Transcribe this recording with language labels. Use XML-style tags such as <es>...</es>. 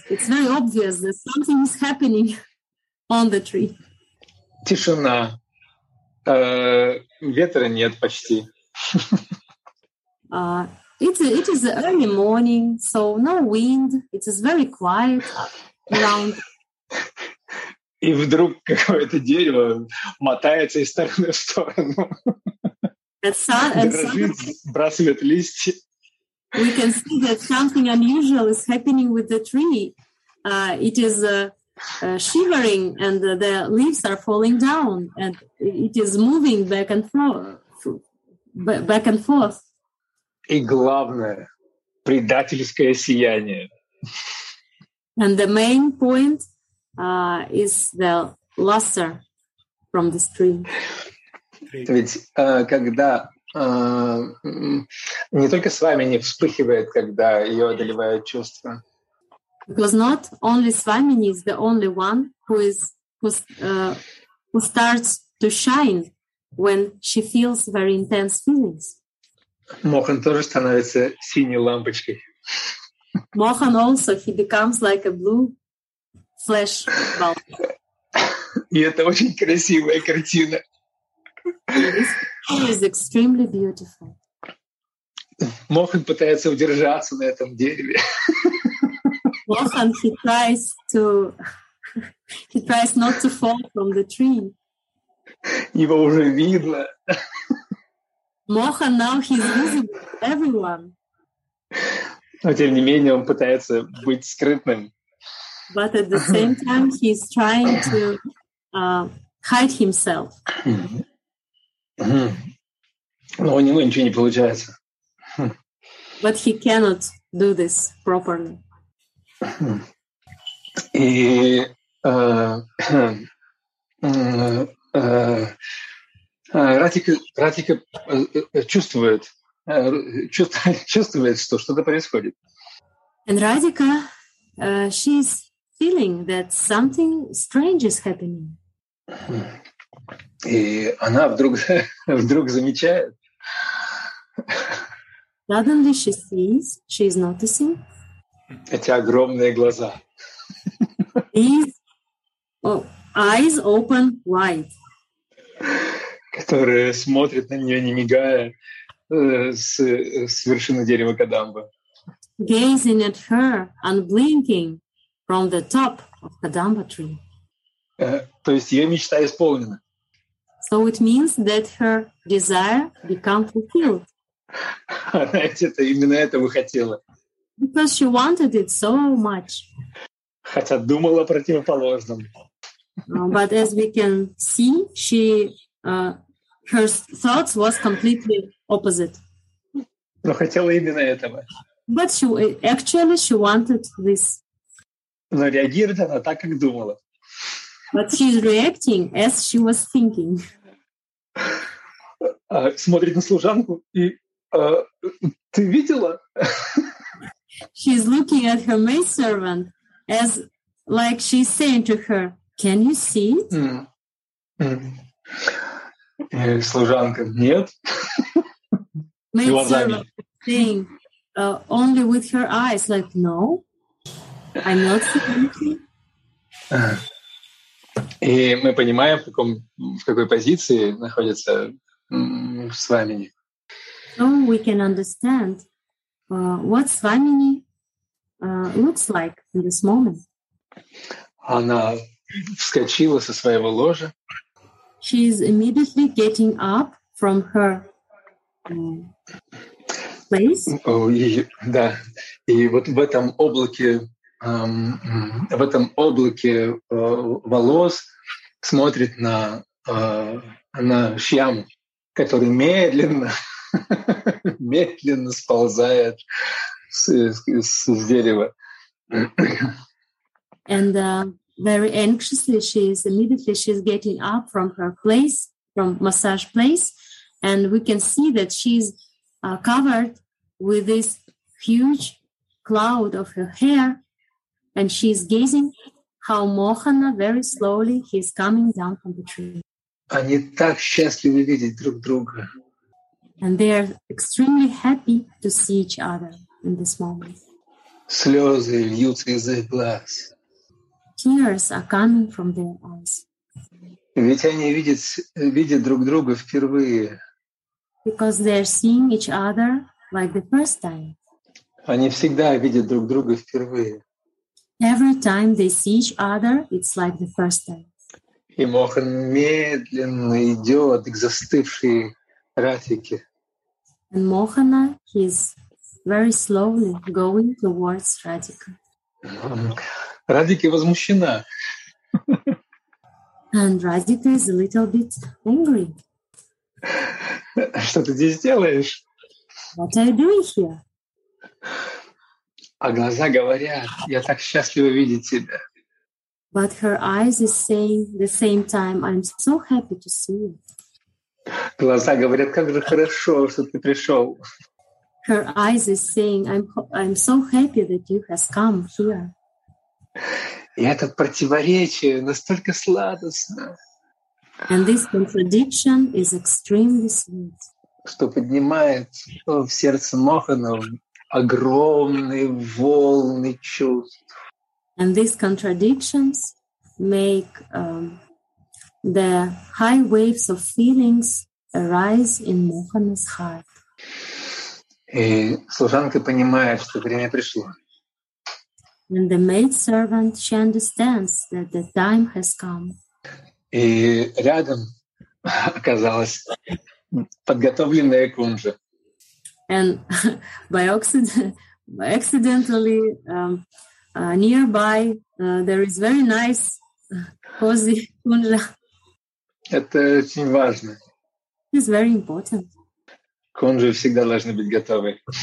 <en>It's very obvious that something is happening on the tree.</en> <ru>Тишина. Ветра нет почти.</ru> <en>It is the early morning, so no wind. It is very quiet around.</en> <ru>И вдруг какое-то дерево мотается из стороны в сторону. Дрожит, бросает листья.</ru> <en>We can see that something unusual is happening with the tree. It is shivering, and the leaves are falling down, and it is moving back and forth.</en> <ru>И главное, предательское сияние.</ru> <en>And the main point is the luster from the stream.</en> <ru>Ведь когда не только с вами не вспыхивает, когда ее одолевают чувства.</ru> <en>Because not only Swamini is the only one who starts to shine when she feels very intense feelings.</en> <ru>Mohan тоже становится синей лампочкой.</ru> <en>Mohan also, he becomes like a blue flash bulb.</en> <ru>И это очень красивая картина.</ru> <en>It is extremely beautiful.</en> <ru>Mohan пытается удержаться на этом дереве.</ru> <en>Mohan, he tries not to fall from the tree.</en> <ru>Его уже видно.</ru> <en>Mohan, now he's visible to everyone.</en> <ru>Но тем не менее он пытается быть скрытным.</ru> <en>But at the same time he's trying to hide himself.</en> <ru>Но у него ничего не получается.</ru> <en>But he cannot do this properly.</en> <ru>И Радика чувствует, что что-то происходит.</ru> <en>And Radhika, she's feeling that something strange is happening.</en> <ru>И она вдруг замечает.</ru> <en>Suddenly she sees, she's noticing.</en> <ru>Эти огромные глаза.</ru> <en>These eyes open wide.</en> <ru>Которые смотрят на нее, не мигая, с вершины дерева Кадамба.</ru> <en>Gazing at her, unblinking, from the top of Kadamba tree.</en> <ru>То есть ее мечта исполнена.</ru> <en>So it means that her desire become fulfilled.</en> <ru>Она это, именно этого хотела.</ru> <en>Because she wanted it so much.</en> <ru>Хотя думала о противоположном.</ru> <en>But as we can see, she... her thoughts was completely opposite.</en> <ru>Но хотела именно этого.</ru> <en>But she wanted this.</en> <ru>Но реагирует она так, как думала.</ru> <en>But she's reacting as she was thinking.</en> <ru>Смотрит на служанку и ты видела?</ru> <en>She's looking at her maidservant as like she's saying to her, "Can you see it?"</en> <ru>И служанка, нет.</ru> <en>Thing, only with her eyes, like, no, I'm not seeing anything.</en> <ru>И мы понимаем, в какой позиции находится Свамини.</ru> <en>So we can understand what Свамини looks like in this moment.</en> <ru>Она вскочила со своего ложа.</ru> <en>She is immediately getting up from her place.</en> <ru>Да. И вот в этом облаке, волос смотрит на шьям, который медленно сползает с дерева.</ru> <en>And very anxiously, she's getting up from her place, from massage place, and we can see that she's covered with this huge cloud of her hair, and she's gazing how Mohana very slowly he's coming down from the tree.</en> <ru>Они так счастливы видеть друг друга.</ru> <en>And they are extremely happy to see each other in this moment.</en> <ru>Слезы льются из их глаз.</ru> <en>Tears are coming from their eyes.</en> <ru>Ведь они видят друг друга впервые.</ru> <en>Because they are seeing each other like the first time.</en> <ru>Они всегда видят друг друга впервые.</ru> <en>Every time they see each other, it's like the first time.</en> <ru>И Мохан медленно идет к застывшей Радике.</ru> <en>And Mohana, he's very slowly going towards Radhika.</en> <ru>Радика возмущена.</ru> <en>And Radhika is a little bit angry.</en> <ru>Что ты здесь делаешь?</ru> <en>What are you doing here?</en> <ru>А глаза говорят, я так счастлива видеть тебя.</ru> <en>But her eyes is saying the same time, I'm so happy to see you.</en> <ru>Глаза говорят, как же хорошо, что ты пришел.</ru> <en>Her eyes is saying, I'm so happy that you has come here.</en> <ru>И это противоречие настолько сладостно.</ru> <en>And this contradiction is extremely sweet.</en> <ru>Что поднимает в сердце Мохана огромные волны чувств.</ru> <en>And these contradictions make the high waves of feelings arise in Mohana's heart.</en> <ru>И служанка понимает, что время пришло.</ru> <en>And the maid servant, she understands that the time has come.</en> <ru>И рядом оказалась подготовленная кунжа.</ru> <en>And by accidentally, nearby, there is very nice cozy кунжа.</en> <ru>Это очень важно.</ru> <en>It's very important.</en> <ru>Кунжи всегда должны быть готовы.</ru>